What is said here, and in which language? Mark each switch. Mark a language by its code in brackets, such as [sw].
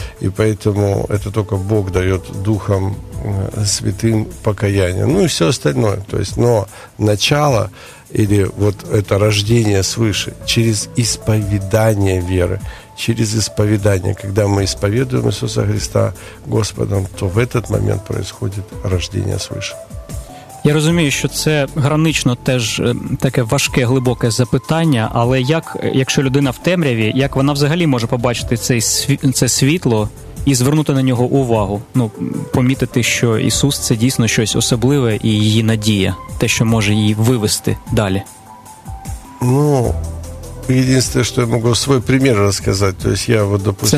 [ru] И поэтому это только Бог дает Духом Святым покаяние. Ну и все остальное. То есть, но начало или вот это рождение свыше через исповедание веры. Через исповедание, когда мы исповедуем Иисуса Христа Господом, то в этот момент происходит рождение свыше. [uk] Я розумію, що це гранично теж таке важке, глибоке запитання, але як, якщо людина в темряві, як вона взагалі може побачити це світло і звернути на нього увагу? Ну, помітити, що Ісус – це дійсно щось особливе і її надія, те, що може її вивести далі? Ну... [ru] Единственное, что я могу свой пример рассказать, то есть я вот, допустим...